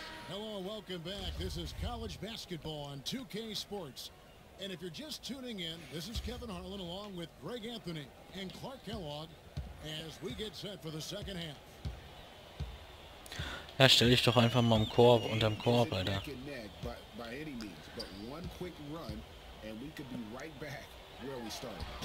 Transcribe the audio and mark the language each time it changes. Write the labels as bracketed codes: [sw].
[de] Hallo, willkommen zurück. Das ist College Basketball on 2K Sports. [en] And if you're just tuning in, this is Kevin Harlan along with Greg Anthony and Clark Kellogg as we get set for the second half. [de] Ja, stell dich doch einfach mal im Korb, unterm Korb, Alter. [en] By any means, but one quick run and we could be right back where we started.